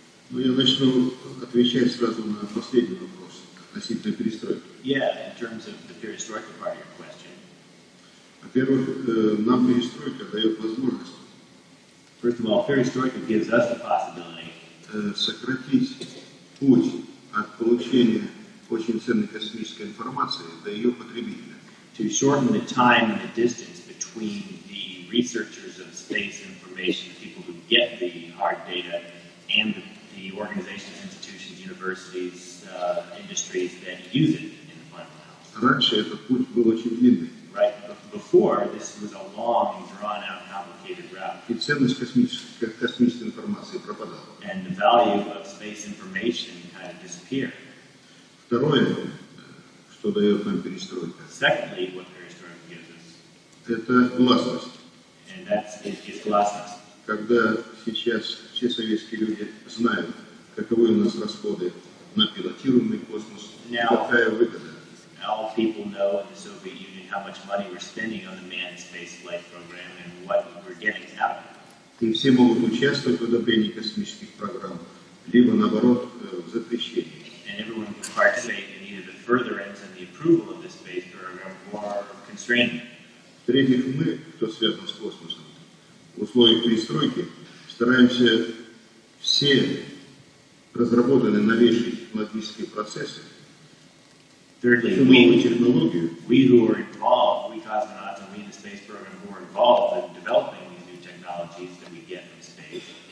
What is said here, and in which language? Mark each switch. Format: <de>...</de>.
<ru>Ну, я начну отвечать сразу на последний вопрос относительно перестройки.</ru> <en>Yeah, in terms of the perestroika part of your question.</en> <ru>Во-первых, нам перестройка дает возможность.</ru> <en>First of all, perestroika gives us the possibility</en> <ru>сократить путь от получения очень ценной космической информации до ее потребителя.</ru> <en>To shorten the time and the distance between the researchers of space information, the people who get the hard data, and the organizations, institutions, universities, industries that use it in the final analysis.</en> <ru>Раньше этот путь был очень длинный.</ru> <en>Right. Before, this was a long, drawn-out, complicated route.</en> <ru>И ценность космической информации пропадала.</ru> <en>And the value of space information kind of disappeared.</en> <ru>Второе, что дает нам перестройка.</ru> <en>Secondly, what perestroika gives us.</en> <ru>Это гласность.</ru> <en>And that's its gласность.</en> <ru>Когда сейчас все советские люди знают, каковы у нас расходы на пилотируемый космос,</ru> <en>now,</en> <ru>какая выгода.</ru> <en>All people know in the Soviet Union how much money we're spending on the manned space flight program and what we're getting out of it.</en> <ru>И все могут участвовать в одобрении космических программ, либо наоборот, в запрещении.</ru> <en>And everyone can participate in either the furtherance and the approval of the space program or constraining.</en> <ru>В-третьих, мы, кто связан с космосом, в условиях перестройки стараемся все разработанные новейшие технологические процессы</ru> <en>Thirdly, we who are involved, we cosmonauts and we in the space program who are involved in developing these new technologies that we get in space.</en>